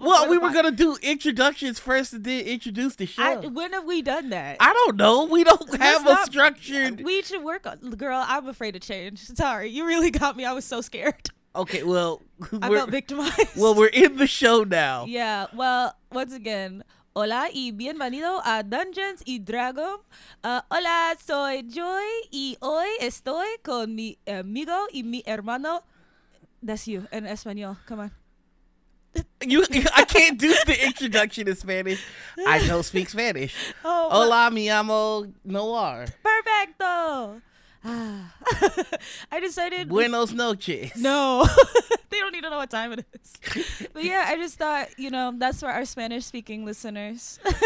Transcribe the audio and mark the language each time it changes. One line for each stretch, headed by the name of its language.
English: Well, we were going to do introductions first and then introduce the show. When have we done that? I don't know. We don't have a structured. We should work on. Girl, I'm afraid of change. Sorry. You really got me. I was so scared. Okay, well. I felt victimized. Well, we're in the show now. Yeah. Well, once again.
Spanish: Hola y bienvenido a Dungeons y Dragon. Hola, soy Joy y hoy estoy con mi amigo y mi hermano.
English: That's you in Espanol. Come on. I can't do the introduction in Spanish. I don't speak Spanish. Oh,
Spanish: hola, mi amo Noir.
English: Perfecto. I decided.
Spanish: Buenos noches.
English: No. They don't need to know what time it is. But yeah, I just thought, you know, that's for our Spanish speaking listeners.